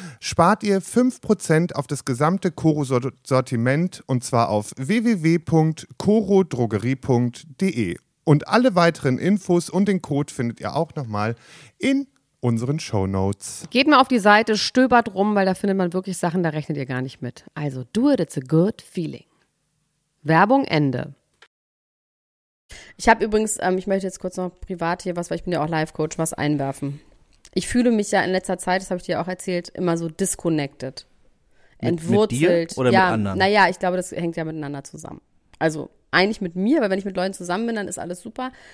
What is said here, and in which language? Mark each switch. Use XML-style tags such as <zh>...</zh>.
<de>Spart ihr 5% auf das gesamte Koro-Sortiment und zwar auf www.korodrogerie.de. Und alle weiteren Infos und den Code findet ihr auch nochmal in unseren Shownotes. Geht mal auf die Seite, stöbert rum, weil da findet man wirklich Sachen, da rechnet ihr gar nicht mit.</de> <en>Also do it, it's a good feeling.</en> <de>Werbung Ende. Ich habe übrigens, ich möchte jetzt kurz noch privat hier was, weil ich bin ja auch Live-Coach, was einwerfen. Ich fühle mich ja in letzter Zeit, das habe ich dir auch erzählt, immer so disconnected. Entwurzelt. Mit dir oder ja, mit anderen? Naja, ich glaube, das hängt ja miteinander zusammen. Also eigentlich mit mir, weil wenn ich mit Leuten zusammen bin, dann ist alles super.</de>